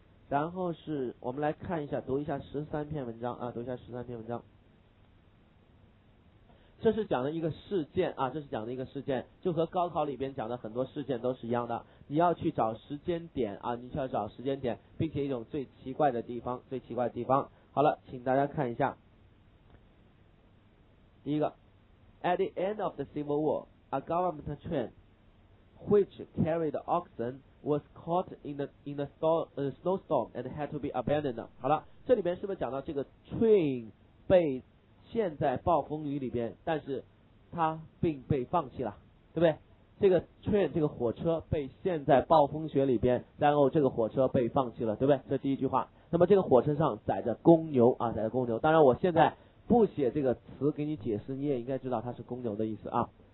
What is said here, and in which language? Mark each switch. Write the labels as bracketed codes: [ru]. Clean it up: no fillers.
[zh] 然后是我们来看一下，读一下十三篇文章啊，读一下十三篇文章。这是讲的一个事件啊，这是讲的一个事件，就和高考里边讲的很多事件都是一样的，你要去找时间点啊，你需要找时间点，并且一种最奇怪的地方，最奇怪的地方。好了，请大家看一下，第一个 [en] At the end of the Civil War, a government train which carried oxen was caught in the snowstorm and had to be abandoned。 [zh] 好了，这里边是不是讲到这个 train 被现在暴风雨里边，但是它并被放弃了，对不对？这个 train 这个火车被现在暴风雪里边，然后这个火车被放弃了，对不对？这第一句话。那么这个火车上载着公牛啊，载着公牛。当然我现在不写这个词给你解释，你也应该知道它是公牛的意思啊。